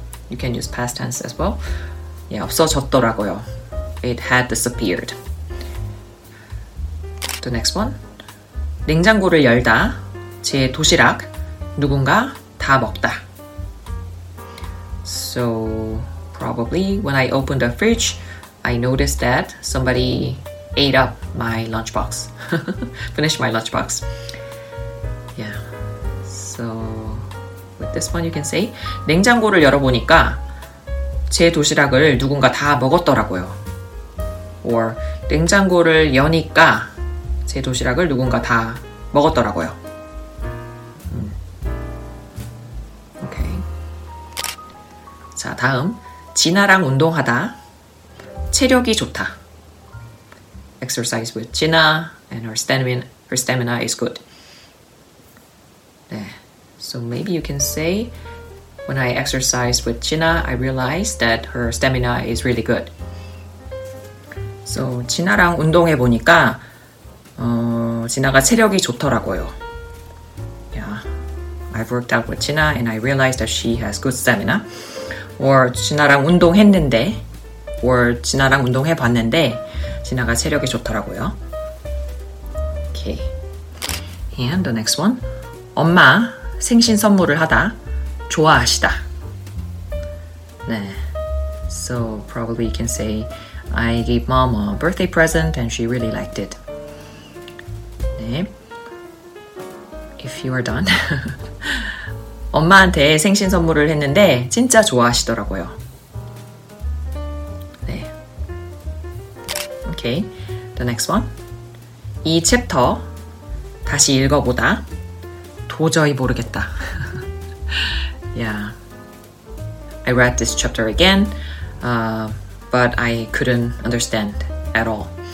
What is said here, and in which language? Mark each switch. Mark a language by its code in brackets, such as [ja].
[en] You can use past tense as well. Yeah, [ko] 없어졌더라고요. [en] It had disappeared. The next one. [ko] 냉장고를 열다 제 도시락 누군가 다 먹다. [en] So probably when I opened the fridge, I noticed that somebody ate up my lunchbox. Finished my lunchbox. So with this one you can say [ko] 냉장고를 열어보니까 제 도시락을 누군가 다 먹었더라고요. Or 냉장고를 여니까 제 도시락을 누군가 다 먹었더라고요. [en] Okay. [ko] 자 다음 진아랑 운동하다 체력이 좋다. [en] Exercise with Gina and her stamina is good. [ko] 네. [en] So maybe you can say, when I exercise with Gina, I realized that her stamina is really good. [ko] So, Gina랑 운동해보니까, Gina가 체력이 좋더라고요. [en] Yeah, I've worked out with Gina and I realized that she has good stamina. [ko] Or, Gina랑 운동했는데, or Gina랑 운동해봤는데, Gina가 체력이 좋더라고요. [en] Okay. And the next one. [ko] 엄마. 생신 선물을 하다 좋아하시다. 네. [en] So probably you can say I gave mom a birthday present and she really liked it. [ko] 네. [en] If you are done. [ko] 엄마한테 생신 선물을 했는데 진짜 좋아하시더라고요. [en] 네. Okay. The next one. [ko] 이 챕터 다시 읽어 보다 도저히 모르겠다. [en] Yeah. I read this chapter again, but I couldn't understand at all.